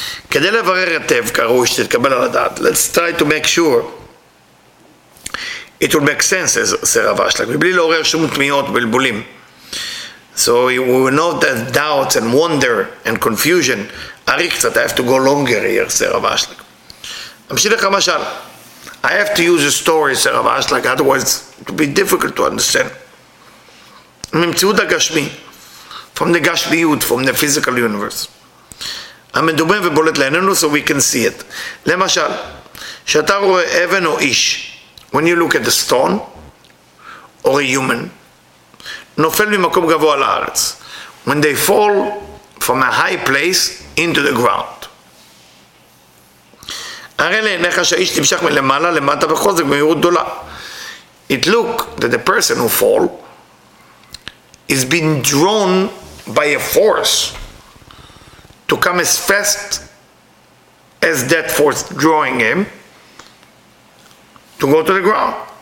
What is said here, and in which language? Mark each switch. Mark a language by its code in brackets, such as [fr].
[he] כדי לברר היטב, כרוש, תתקבל על הדעת. [en] Let's try to make sure. It will make sense, [he] עושה רב אשלג, מבלי לעורר שום תמיות בלבולים. [en] So we will know that doubts and wonder and confusion. [he] אריק קצת, [en] I have to go longer here, [he] עושה רב אשלג. אמשיל לך משל. [en] I have to use a story, [he] עושה רב אשלג, [en] otherwise it will be difficult to understand. [he] ממציאות הגשמי, [en] from the גשמיות, from the physical universe. [he] המדומה ובולט לעינינו, [en] so we can see it. [he] למשל, שאתה רואה אבן או איש, [en] when you look at a stone or a human, [he] נופל ממקום גבוה לארץ, [en] when they fall from a high place into the ground. [he] הרי לעיניך שהאיש נמשך מלמעלה למטה בחוזק במהירות גדולה. [en] It look that the person who fall is being drawn by a force to come as fast as that force drawing him to go to the ground.